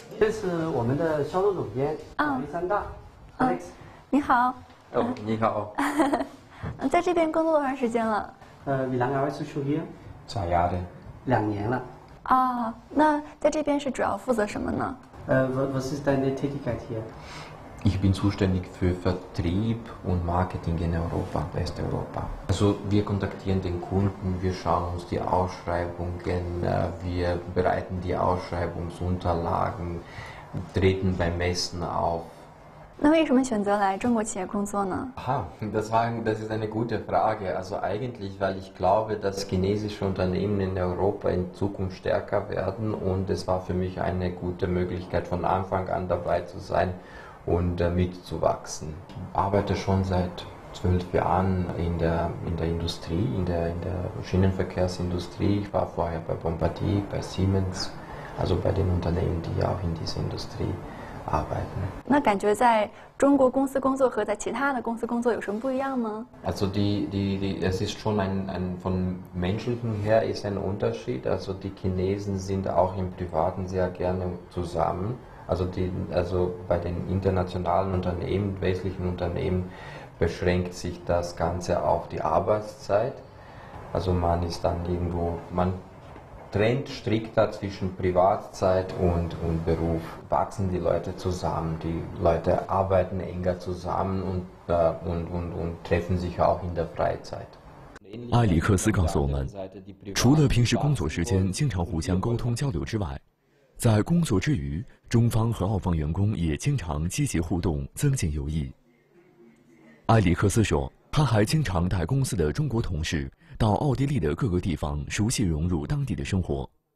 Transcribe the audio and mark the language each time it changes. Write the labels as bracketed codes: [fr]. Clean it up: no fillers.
[zh] 这是我们的销售总监啊，李三大。 Alex，你好。你好。在这边工作多长时间了？ [de] wie lange arbeitest du hier？ [zh] 在家的。两年了。啊，那在这边是主要负责什么呢？ [de] was ist deine Tätigkeit hier？ Ich bin zuständig für Vertrieb und Marketing in Europa, Westeuropa. Also wir kontaktieren den Kunden, wir schauen uns die Ausschreibungen, wir bereiten die Ausschreibungsunterlagen, treten bei Messen auf. [zh] 那为什么选择来中国企业工作呢？ [de] Das ist eine gute Frage. Also eigentlich, weil ich glaube, dass chinesische Unternehmen in Europa in Zukunft stärker werden und es war für mich eine gute Möglichkeit, von Anfang an dabei zu sein. Und mitzuwachsen. Ich arbeite schon seit 12 Jahren in der Industrie, in der Schienenverkehrsindustrie. Ich war vorher bei Bombardier, bei Siemens, also bei den Unternehmen, die auch in dieser Industrie arbeiten. [zh] 那感觉在中国公司工作和在其他的公司工作有什么不一样吗？ [de] Also es ist schon ein von menschlichen her ist ein Unterschied. Also die Chinesen sind auch im Privaten sehr gerne zusammen. Also bei den internationalen Unternehmen, westlichen Unternehmen, beschränkt sich das Ganze auf die Arbeitszeit. Also man ist dann irgendwo, man trennt strikter zwischen Privatzeit und Beruf. Wachsen die Leute zusammen, die Leute arbeiten enger zusammen und treffen sich auch in der Freizeit. [zh] 埃里克斯告诉我们，除了平时工作时间经常互相沟通交流之外，在工作之余，中方和澳方员工也经常积极互动，增进友谊。埃里克斯说，他还经常带公司的中国同事到奥地利的各个地方，熟悉融入当地的生活。